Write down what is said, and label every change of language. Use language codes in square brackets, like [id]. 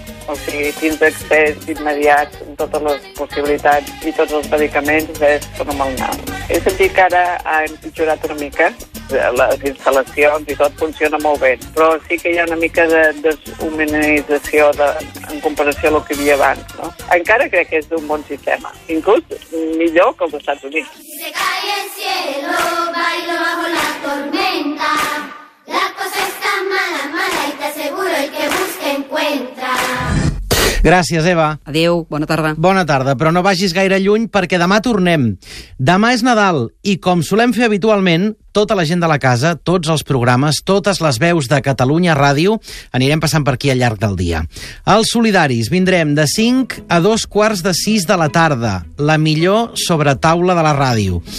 [ca] O sigui, tens accés immediat amb totes les possibilitats i tots els medicaments és fenomenal. He sentit que ara ha empitjorat una mica les instal·lacions i tot funciona molt bé, però sí que hi ha una mica de deshumanització en comparació amb el que hi havia abans, no? Encara crec que és d'un bon sistema, inclús millor que els Estats Units. [es] Si se cae el cielo, bailo bajo la tormenta. La cosa está mala, mala y te aseguro el que busca encuentra. [ca] Gràcies, Eva. Adéu, bona tarda. Bona tarda, però no vagis gaire lluny perquè demà tornem. Demà és Nadal i, com solem fer habitualment, tota la gent de la casa, tots els programes, totes les veus de Catalunya Ràdio anirem passant per aquí al llarg del dia. Els solidaris, vindrem de 5 a 6:15 de la tarda, la millor sobretaula de la ràdio.